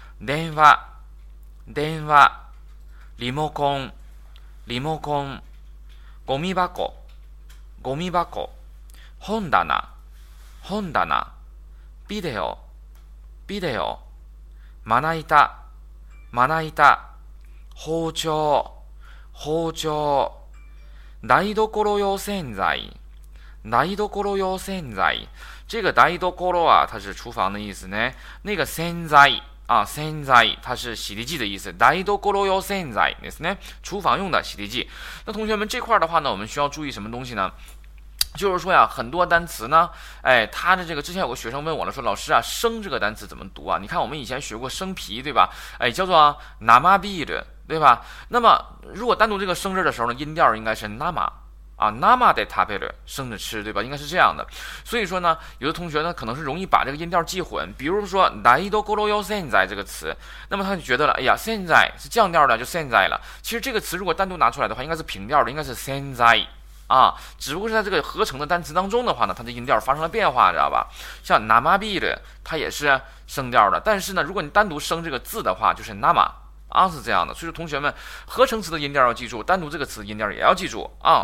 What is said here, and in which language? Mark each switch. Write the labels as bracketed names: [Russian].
[Japanese] 電話、電話、リモコン、リモコン、ゴミ箱、ゴミ箱、本棚、本棚、ビデオ、ビデオ、まな板、まな板、包丁、包丁、台所用洗剤、台所用洗剤。 [Chinese] 这个台所啊，它是厨房的意思呢。那个洗剤啊，洗剤，它是洗涤剂的意思。 [Japanese] 台所用洗剤ですね， [Chinese] 厨房用的洗涤剂。那同学们这块的话呢，我们需要注意什么东西呢？就是说呀，很多单词呢，哎，他的这个之前有个学生问我了，说老师啊，生这个单词怎么读啊？你看我们以前学过生啤，对吧？哎，叫做生啤的。对吧？那么如果单独这个生字的时候呢，音调应该是 nama 啊 ， [Japanese] nama de tapere [Chinese] 生着吃，对吧？应该是这样的。所以说呢，有的同学呢可能是容易把这个音调记混，比如说 [Japanese] dai do koro yo senzai [Chinese] 这个词，那么他就觉得了，哎呀 ，senzai 是降调的，就 senzai 了。其实这个词如果单独拿出来的话，应该是平调的，应该是 senzai 啊，只不过是在这个合成的单词当中的话呢，它的音调发生了变化，知道吧？像 nama bire 它也是升调的，但是呢，如果你单独生这个字的话，就是 nama。啊，是这样的，所以说同学们合成词的音调要记住，单独这个词的音调也要记住啊。